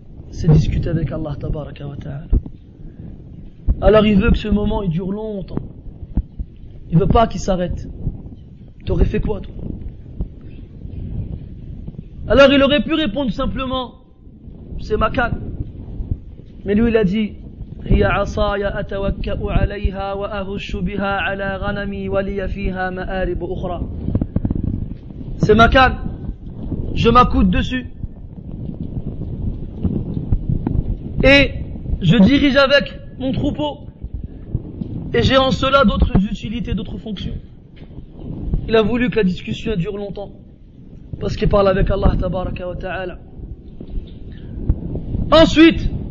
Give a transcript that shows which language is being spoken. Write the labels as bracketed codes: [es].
[fr] C'est discuter avec Allah tabaraka wa ta'ala. Alors il veut que ce moment il dure longtemps. Il veut pas qu'il s'arrête. T'aurais fait quoi, toi? Alors il aurait pu répondre simplement, c'est ma canne. Mais lui il a dit, [ar] هي عصاي أتوكأ عليها وأهش بها على غنمي ولي فيها مآرب أخرى. [fr] C'est ma canne, je m'accoude dessus et je dirige avec mon troupeau et j'ai en cela d'autres utilités, d'autres fonctions. Il a voulu que la discussion dure longtemps parce qu'il parle avec Allah tabaraka wa ta'ala. Ensuite